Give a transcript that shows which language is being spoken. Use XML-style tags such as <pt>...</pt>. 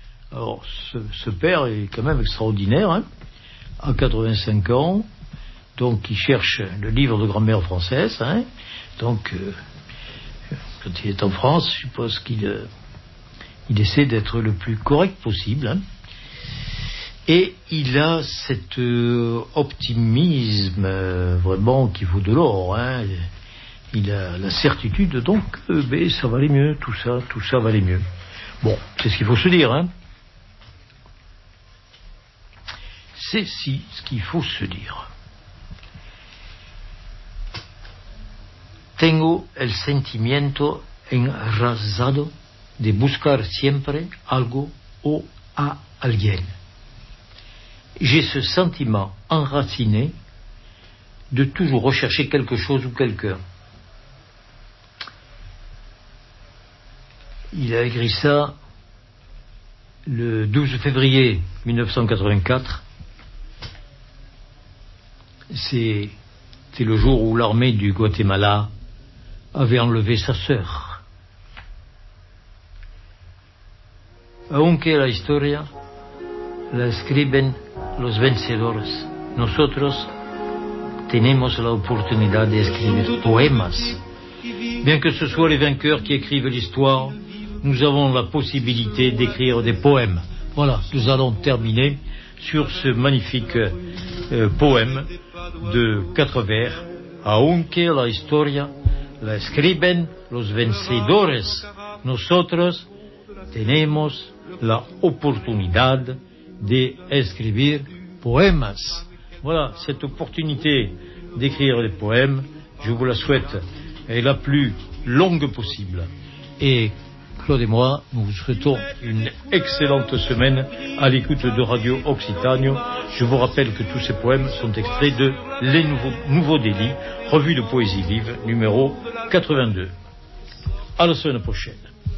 <fr>Alors, ce père est quand même extraordinaire, hein. À 85 ans, donc il cherche le livre de grand-mère française, hein, donc quand il est en France, je suppose qu'il il essaie d'être le plus correct possible, hein, et il a cet optimisme vraiment qui vaut de l'or, hein, il a la certitude, donc ça valait mieux, tout ça valait mieux. Bon, c'est ce qu'il faut se dire, hein. C'est si ce qu'il faut se dire.</fr> <es>Tengo el sentimiento enraizado de buscar siempre algo o a alguien.</es> <fr>J'ai ce sentiment enraciné de toujours rechercher quelque chose ou quelqu'un. Il a écrit ça le 12 février 1984. C'était le jour où l'armée du Guatemala avait enlevé sa sœur.</fr> <es>Aunque la historia la escriben los vencedores, nosotros tenemos la oportunidad de escribir poemas.</es> <fr>Bien que ce soit les vainqueurs qui écrivent l'histoire, nous avons la possibilité d'écrire des poèmes. Voilà, nous allons terminer sur ce magnifique poème de quatre vers.</fr> <es>Aunque la historia la escriben los vencedores, nosotros tenemos la oportunidad de escribir poemas.</es> <fr>Voilà, cette opportunité d'écrire des poèmes, je vous la souhaite, est la plus longue possible. Et Claude et moi, nous vous souhaitons une excellente semaine à l'écoute de Radio Occitanie. Je vous rappelle que tous ces poèmes sont extraits de Les Nouveaux Délits, revue de poésie vive, numéro 82. À la semaine prochaine.</fr>